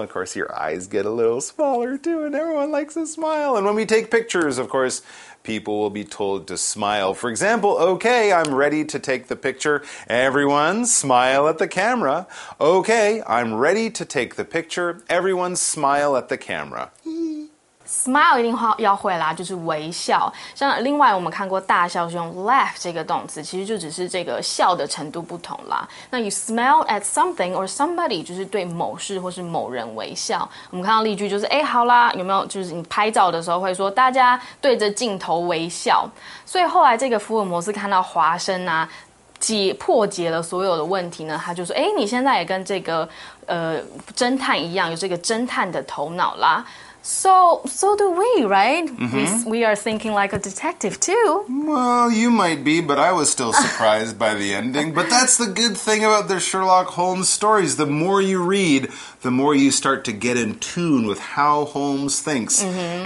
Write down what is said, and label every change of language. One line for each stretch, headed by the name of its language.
English: Of course, your eyes get a little smaller, too, and everyone likes a smile. And when we take pictures, of course, people will be told to smile. For example, okay, I'm ready to take the picture. Everyone, smile at the camera. Okay, I'm ready to take the picture. Everyone, smile at the camera.
Chinese: Smile 一定要会啦，就是微笑。像另外我们看过大笑是用 laugh 这个动词，其实就只是这个笑的程度不同啦。那
English: you smile at something or somebody
Chinese: 就是对某事或是某人微笑。我们看到例句就是，哎，好啦，有没有就是你拍照的时候会说大家对着镜头微笑。所以后来这个福尔摩斯看到华生啊，破解了所有的问题呢，他就说，哎，你现在也跟这个侦探一样，有这个侦探的头脑啦。
English: So do we, right? We are thinking like a detective too. Well, you might be, but I was still surprised by the ending. But that's the good thing about the Sherlock Holmes stories. The more you read, the more you start to get in tune with how Holmes thinks. Mm-hmm.